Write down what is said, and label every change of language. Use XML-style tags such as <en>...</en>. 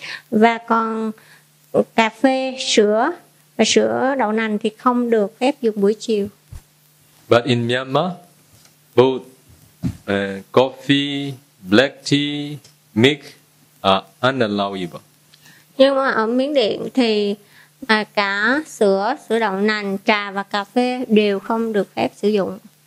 <vi>Và còn cà phê, sữa và sữa đậu nành thì không được phép dùng buổi chiều.</vi> <en>But in Myanmar, both coffee, black tea, milk are unallowable.</en> <vi>Nhưng mà ở Miến Điện thì cả sữa, sữa đậu nành, trà và cà phê đều không được phép sử dụng.</vi>